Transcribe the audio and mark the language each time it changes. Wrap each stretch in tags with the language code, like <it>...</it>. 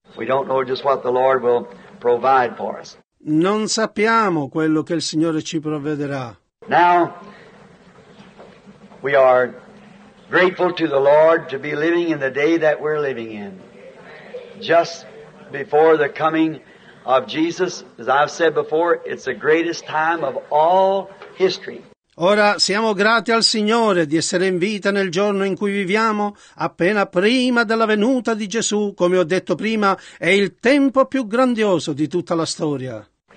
<en>We don't know just what the Lord will provide for us.</en> <it>Non sappiamo quello che il Signore ci provvederà.</it> <en>Now, we are grateful to the Lord to be living in the day that we're living in. Just before the coming of Jesus, as I've said before, it's the greatest time of all history.</en> <it>Ora siamo grati al Signore di essere in vita nel giorno in cui viviamo, appena prima della venuta di Gesù, come ho detto prima, è il tempo più grandioso di tutta la storia.</it>